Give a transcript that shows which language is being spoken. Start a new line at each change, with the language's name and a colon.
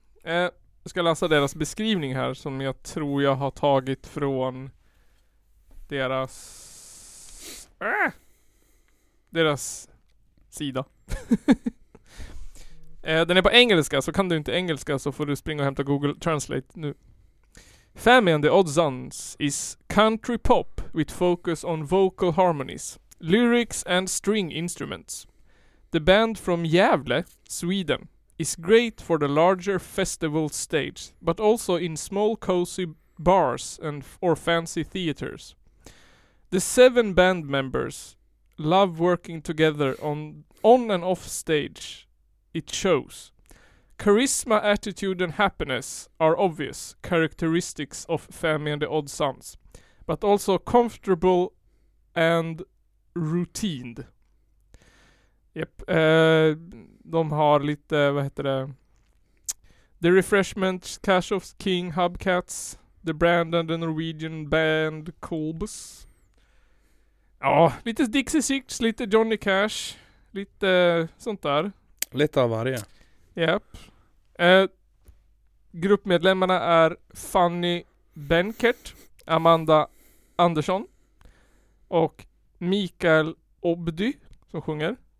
Swedish: Jag ska läsa deras beskrivning här som jag tror jag har tagit från deras deras sida. Den är på engelska, så kan du inte engelska så får du springa och hämta Google Translate nu.
English: Fammy and the Odd Sons is country pop with focus on vocal harmonies, lyrics and string instruments. The band from Gävle, Sweden, is great for the larger festival stage, but also in small cozy bars and or fancy theaters. The 7 band members love working together on and off stage. It shows. Charisma, attitude and happiness are obvious characteristics of Fammy and the Odd Sons, but also comfortable and routined. Yep.
Swedish: De har lite, vad heter det?
English: The Refreshments, Clash of King, Hubcats, The Brand and the Norwegian Band, Kolbs.
Swedish: Ja, lite Dixie Six, lite Johnny Cash, lite sånt där. Lite av varje.
English: Yep.
Swedish: Gruppmedlemmarna är Fanny Benkert, Amanda Andersson och Mikael Obdy som sjunger.